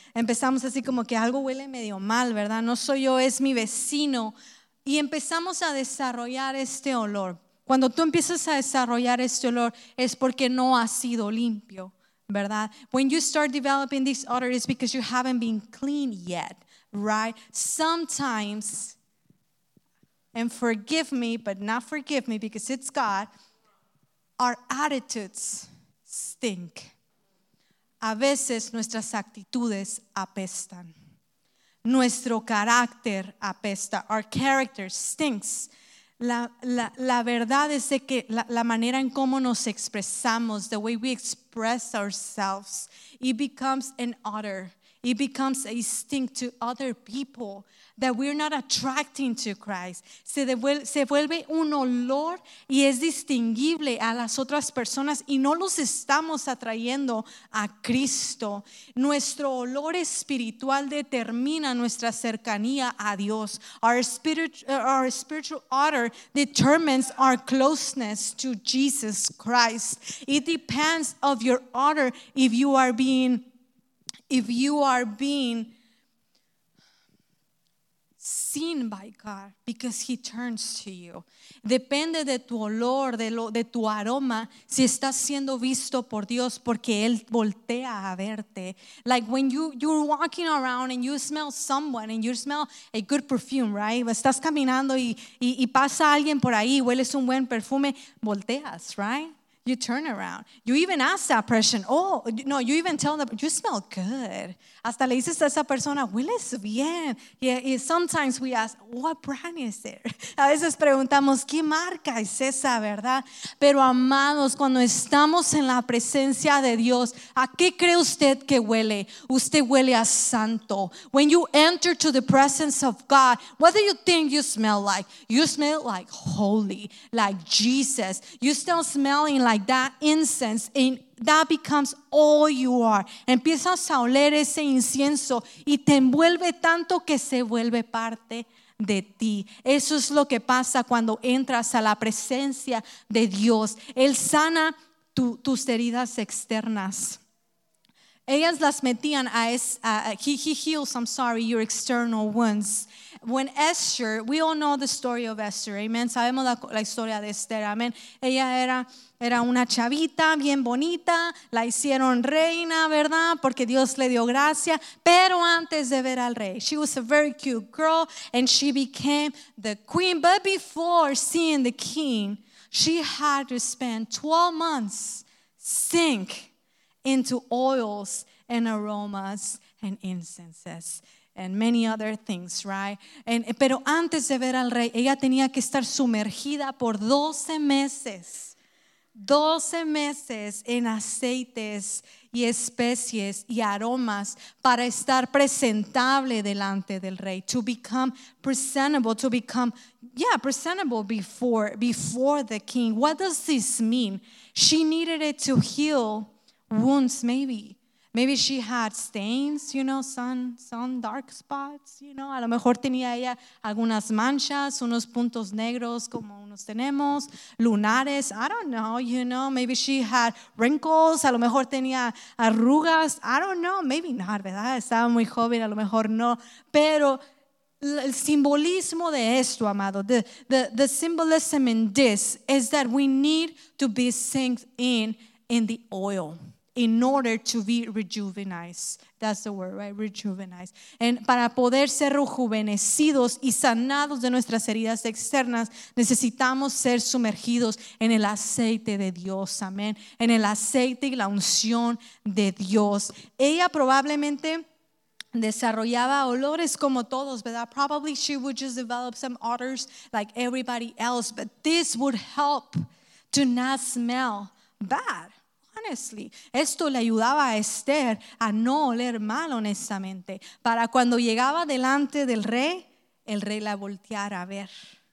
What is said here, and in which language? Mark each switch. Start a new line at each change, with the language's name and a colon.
Spanish: Empezamos así como que algo huele medio mal, ¿verdad? No soy yo, es mi vecino. Y empezamos a desarrollar este olor. Cuando tú empiezas a desarrollar este olor, es porque no ha sido limpio, ¿verdad?
English: When you start developing this odor, it's because you haven't been clean yet, right? Sometimes, and forgive me, but not forgive me because it's God, our attitudes stink.
Spanish: A veces nuestras actitudes apestan. Nuestro carácter apesta.
English: Our character stinks.
Spanish: La verdad es de que la manera en cómo nos expresamos,
English: the way we express ourselves, it becomes an odor. It becomes a stink to other people that we're not attracting to Christ.
Spanish: Se vuelve un olor y es distinguible a las otras personas y no los estamos atrayendo a Cristo. Nuestro olor espiritual determina nuestra cercanía a Dios.
English: Our spiritual odor determines our closeness to Jesus Christ. It depends on your odor if you are being seen by God because he turns to you.
Spanish: Depende de tu olor, de tu aroma, si estás siendo visto por Dios porque él voltea a verte.
English: Like when you're walking around and you smell someone and you smell a good perfume, right?
Spanish: Estás caminando y pasa alguien por ahí, hueles un buen perfume, volteas, right?
English: You turn around. You even ask that person, oh, no, you even tell them, you smell good. Hasta le dices a esa persona, hueles bien. Yeah, sometimes we ask, what brand is it?
Spanish: A veces preguntamos, ¿qué marca es esa, verdad? Pero amados, cuando estamos en la presencia de Dios, ¿a qué cree usted que huele? Usted huele a santo.
English: When you enter to the presence of God, what do you think you smell like? You smell like holy, like Jesus. You still smelling like that incense, and that becomes all you are.
Spanish: Empiezas a oler ese incienso y te envuelve tanto que se vuelve parte de ti. Eso es lo que pasa cuando entras a la presencia de Dios. Él sana tus heridas externas. Ellas las metían a
English: he heals, I'm sorry, your external wounds. When Esther, we all know the story of Esther, amen.
Spanish: Sabemos la historia de Esther, amen. Ella era una chavita bien bonita, la hicieron reina, ¿verdad? Porque Dios le dio gracia, pero antes de ver al rey,
English: she was a very cute girl and she became the queen. But before seeing the king, she had to spend 12 months sink into oils and aromas and incenses and many other things, right?
Spanish: Pero antes de ver al rey, ella tenía que estar sumergida por 12 meses. 12 meses en aceites y especies y aromas para estar presentable delante del rey.
English: To become presentable, presentable before the king. What does this mean? She needed it to heal wounds, maybe. Maybe she had stains, you know, some dark spots, you know.
Spanish: A lo mejor tenía ella algunas manchas, unos puntos negros como unos tenemos, lunares,
English: I don't know, you know. Maybe she had wrinkles,
Spanish: a lo mejor tenía arrugas,
English: I don't know, maybe not, ¿verdad?
Spanish: Estaba muy joven, a lo mejor no. Pero el simbolismo de esto, amado,
English: the symbolism in this is that we need to be synced in the oil. In order to be rejuvenized. That's the word, right? Rejuvenized.
Spanish: And para poder ser rejuvenecidos y sanados de nuestras heridas externas, necesitamos ser sumergidos en el aceite de Dios. Amén. En el aceite y la unción de Dios. Ella probablemente desarrollaba olores como todos, ¿verdad?
English: Probably she would just develop some odors like everybody else. But this would help to not smell bad.
Spanish: Honestly, esto le ayudaba a Esther a no oler mal, honestamente, para cuando llegaba delante del rey, el rey la volteara a ver.